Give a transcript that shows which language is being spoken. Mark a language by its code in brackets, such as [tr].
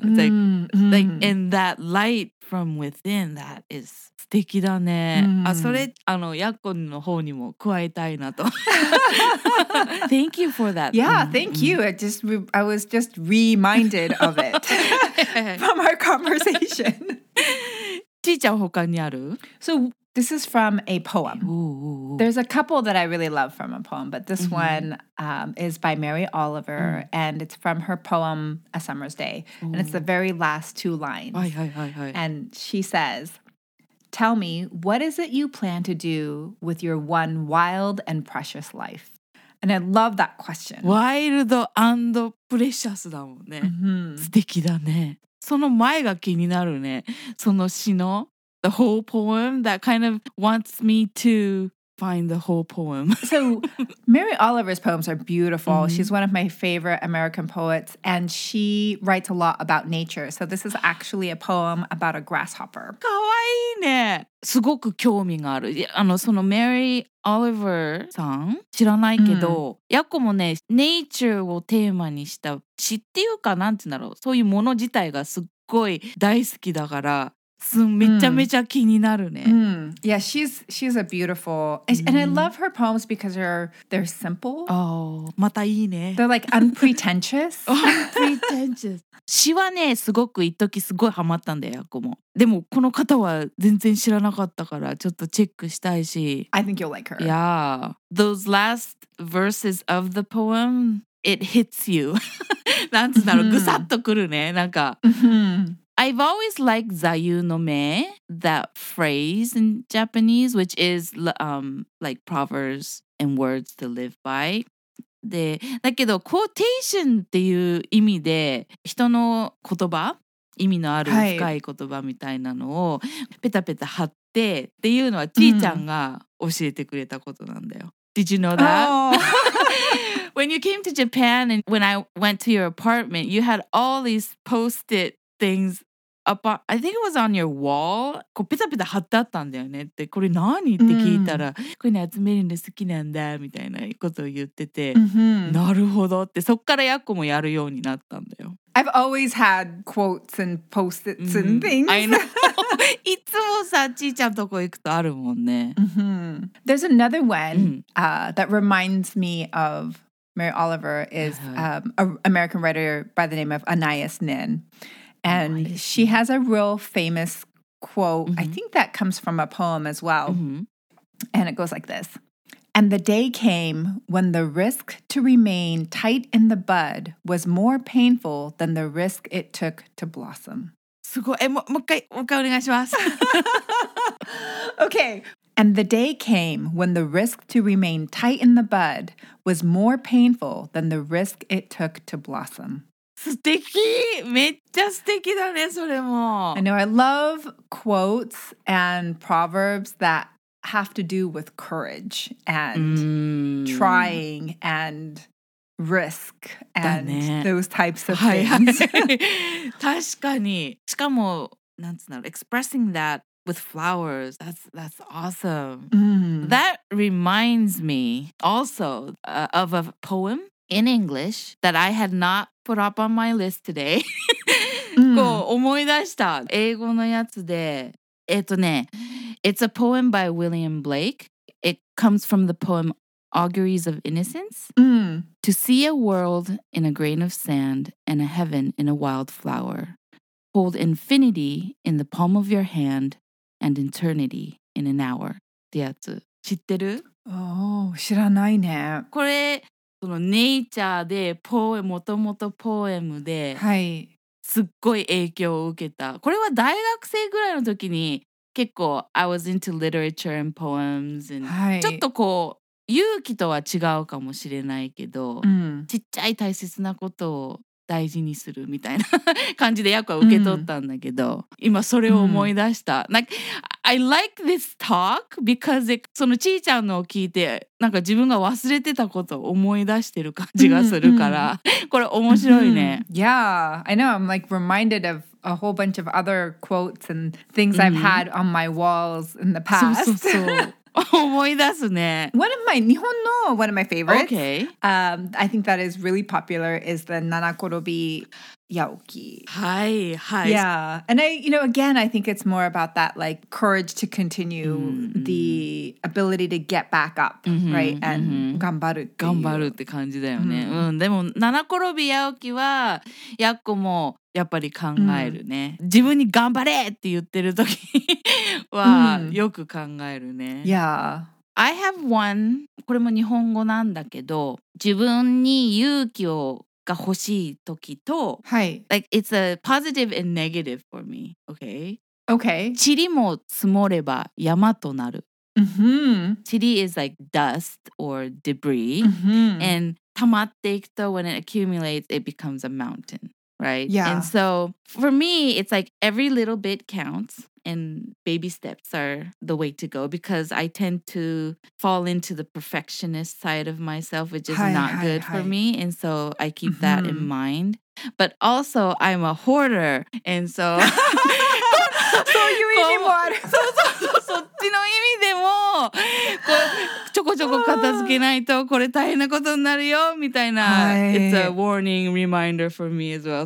[en] And that light from within, that is [ja] 素敵だね。あ、それ、あの、やっこの方にも加えたいなと。 [en] Thank you for that. Yeah, thank you. I was just reminded of it from our conversation. [ja] ちーちゃん他にある？ [en] So,This is from a poem. There's a couple that I really love from a poem, but this one is by Mary Oliver, and it's from her poem, A Summer's Day. And it's the very last two lines. And she says, Tell me, what is it you plan to do with your one wild and precious life? And I love that question. Wild and precious [ja] だもんね。 [en] Mm-hmm. [ja] 素敵だね。その前が気になるね。その詩の [en] The whole poem that kind of wants me to find the whole poem. So Mary Oliver's poems are beautiful. Mm-hmm. She's one of my favorite American poets. And she writes a lot about nature. So this is actually a poem about a grasshopper. [ja] かわいいね。すごく興味がある。あの、そのメリーオリバーさん知らないけど、ヤコもね、ネイチャーをテーマにした詩っていうか、なんて言うんだろう、そういうもの自体がすっごい大好きだから、めちゃめちゃ気になるね。 [en] Yeah, she's a beautiful... And I love her poems because they're simple. [ja] Oh, またいいね。 [en] They're like unpretentious. Unpretentious. [ja] 詩はね、すごく一時すごいハマったんだよ、ヤコも。でもこの方は全然知らなかったからちょっとチェックしたいし。 [en] I think you'll like her. Yeah. Those last verses of the poem, it hits you. [ja] なんつうんだろう、ぐさっとくるね、なんか。 [en] I've always liked Zayu no Me, that phrase in Japanese, which is like proverbs and words to live by. [ja] で、だけど、quotation っていう意味で、人の言葉、意味のある深い言葉みたいなのをペタペタ貼ってっていうのは、ちーちゃんが教えてくれたことなんだよ。 [en] Did you know that? Oh. When you came to Japan and when I went to your apartment, you had all these post-it things. I think it was on your wall. [ja] こうペタペタ貼ってあったんだよねって、これ何って聞いたら、これね、集めるの好きなんだみたいなことを言ってて、なるほどって、そっからヤコもやるようになったんだよ。 [en] I've always had quotes and post-its and things. I know. [ja] いつもさ、ちーちゃんとこ行くとあるもんね。 [en] There's another one that reminds me of Mary Oliver is an American writer by the name of Anais Nin. And she has a real famous quote. Mm-hmm. I think that comes from a poem as well. Mm-hmm. And it goes like this. And the day came when the risk to remain tight in the bud was more painful than the risk it took to blossom. [ja] すごい。もう一回お願いします。 [en] Okay. And the day came when the risk to remain tight in the bud was more painful than the risk it took to blossom. [ja] 素敵、めっちゃ素敵だね、それも。 [en] I know, I love quotes and proverbs that have to do with courage and trying and risk and、 [ja] ね、 [en] those types of things. [ja] はい、はい、確かに。しかも、なんつうの、 [en] expressing that with flowers, that's awesome.、That reminds me also、of a poem. In English, that I had not put up on my list today. [ja] こう思い出した。英語のやつで、 [en] it's a poem by William Blake. It comes from the poem Auguries of Innocence. To see a world in a grain of sand and a heaven in a wild flower. Hold infinity in the palm of your hand and eternity in an hour. [ja] ってやつ。知ってる？ Oh, 知らないね。これそのネイチャーでポエもともとポエムで、はい、すっごい影響を受けた。これは大学生ぐらいの時に結構 [en] I was into literature and poems and、 [ja] はい、ちょっとこう勇気とは違うかもしれないけど、うん、ちっちゃい大切なことを大事にするみたいな感じでヤコは受け取ったんだけど、うん、今それを思い出した、うん、なんか [en] I like this talk because it, [ja] そのちーちゃんのを聞いてなんか自分が忘れてたことを思い出してる感じがするから、うん、これ面白いね、うん、 [en] Yeah, I know I'm like reminded of a whole bunch of other quotes and things、うん、I've had on my walls in the past [ja] そうそうそう思い出すね。 [en] One of my, 日本の one of my favorites. Okay. I think that is really popular is the Nanakorobi Yaoki. [ja] はい、はい。 [en] Yeah. And I, you know, again, I think it's more about that, like, courage to continue the ability to get back up, right? [ja] And 頑張るっていう。頑張るって感じだよね。うん。でも、Nanakorobi Yaoki は、ヤッコもやっぱり考えるね。自分に頑張れって言ってる時はよく考えるね。 [en] Yeah. I have one. [ja] これも日本語なんだけど、自分に勇気をが欲しい時と、はい。 [en] Like, it's a positive and negative for me. Okay? Okay. [ja] 塵も積もれば山となる。 [en] Mm-hmm. Chiri is like dust or debris. Mm-hmm. And tamatte ikuto, when it accumulates, it becomes a mountain, right? Yeah. And so for me, it's like every little bit counts. And baby steps are the way to go because I tend to fall into the perfectionist side of myself, which is not good for me. And so I keep that in mind. But also, I'm a hoarder. And so... [ja] そういう意味もある。そうそうそう、そっちの意味でも、こう、ちょこちょこ片付けないとこれ大変なことになるよみたいな。 [en] It's a warning reminder for me as well.